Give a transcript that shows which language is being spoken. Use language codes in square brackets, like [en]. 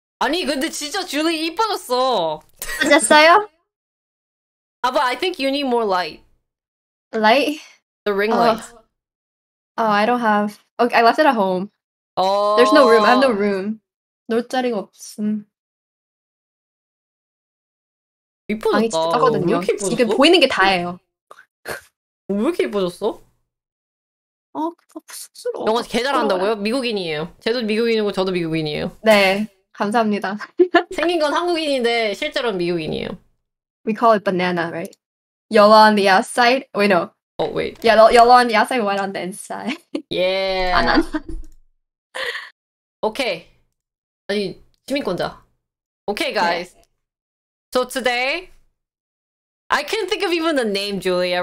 [ko] 아니, 근데 진짜 줄이 이뻐졌어. 됐어요? [en] But I think you need more light. Light? The ring light. Oh, I don't have... Okay, I left it at home. Oh. There's no room. I have no room. [ko] 놀 자리가 없음. 이뻐졌다. 방이 진짜 작거든요. 지금 보이는 게 다예요. 왜 이렇게 이뻐졌어? 쑥스러워. 영어 개 잘한다고요? 미국인이에요. 쟤도 미국인이고 저도 미국인이에요. 네. 감사합니다. 생긴 건 한국인인데 실제로는 미국인이에요. [en] We call it banana, right? Yellow on the outside. Wait, no. Oh, wait. Yeah, yellow on the outside, white on the inside. Yeah. [ko] 바나나. [en] Okay. [ko] 아니, 시민권자. [en] Okay, guys. Yeah. So today, I couldn't think of even the name, Julia.